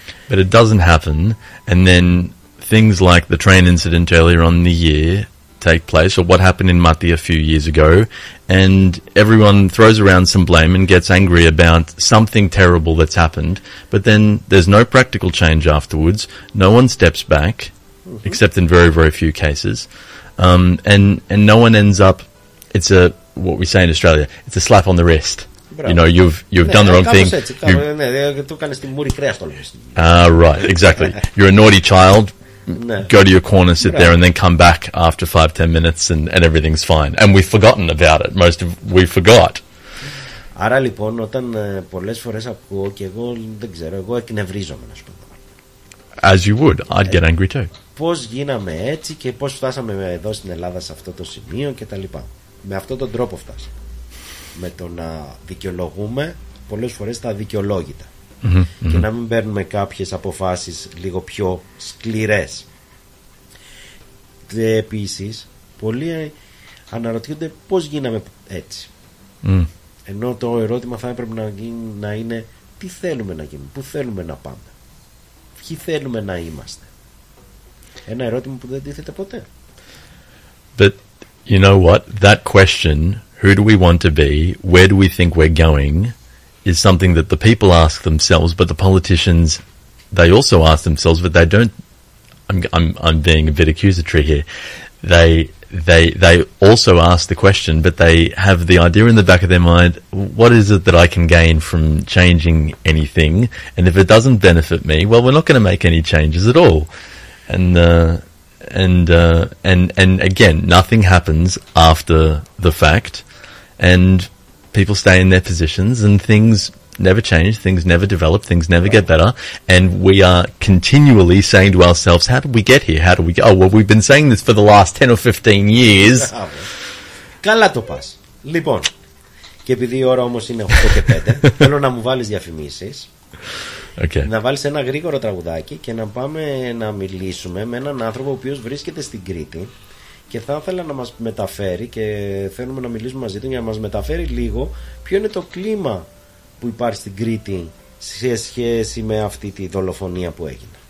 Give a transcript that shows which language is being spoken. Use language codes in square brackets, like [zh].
[en] But it doesn't happen, and then things like the train incident earlier on in the year take place, or what happened in Mati a few years ago, and everyone throws around some blame and gets angry about something terrible that's happened, but then there's no practical change afterwards, no one steps back, except in very, very few cases, and no one ends up, it's a, what we say in Australia, it's a slap on the wrist. You know, you've done the wrong thing. Right, exactly. You're a naughty child. Go to your corner, sit there, and then come back after 5-10 minutes, and everything's fine. And we've forgotten about it. Most of we forgot. [el] Άρα λοιπόν, όταν πολλές φορές ακούω και εγώ δεν ξέρω, εγώ εκνευρίζομαι, να σου πω. [en] As you would, I'd get angry too. [el] Πώς γίναμε έτσι και πώς φτάσαμε εδώ στην Ελλάδα σε αυτό το σημείο και τα λοιπά. Με αυτόν τον τρόπο φτάσαμε. Με το να δικαιολογούμε πολλές φορές τα αδικαιολόγητα. Και να μην παίρνουμε κάποιες αποφάσεις λίγο πιο σκληρές. Και επίσης, πολλοί αναρωτιούνται πώς γίναμε έτσι. Ενώ το ερώτημα θα έπρεπε να είναι τι θέλουμε να γίνουμε, πού θέλουμε να πάμε, ποιοι θέλουμε να είμαστε. Ένα ερώτημα που δεν τίθεται ποτέ. [en] But you know what, that question, who do we want to be, where do we think we're going, is something that the people ask themselves, but the politicians, they also ask themselves, but they don't. I'm being a bit accusatory here. They also ask the question, but they have the idea in the back of their mind, what is it that I can gain from changing anything? And if it doesn't benefit me, well, we're not going to make any changes at all. And again, nothing happens after the fact, and people stay in their positions, and things never change, things never develop, things never get better, and we are continually saying to ourselves, how did we get here? How do we go? Oh, well, we've been saying this for the last 10 or 15 years. [el] Καλά το πας. Λοιπόν, και επειδή η ώρα όμως είναι 8 και 5, θέλω να μου βάλεις διαφημίσεις, [en] okay. [el] Να βάλεις ένα γρήγορο τραγουδάκι και να πάμε να μιλήσουμε με έναν άνθρωπο ο οποίος βρίσκεται στην Κρήτη. Και θα ήθελα να μας μεταφέρει και θέλουμε να μιλήσουμε μαζί του για να μας μεταφέρει λίγο ποιο είναι το κλίμα που υπάρχει στην Κρήτη σε σχέση με αυτή τη δολοφονία που έγινε.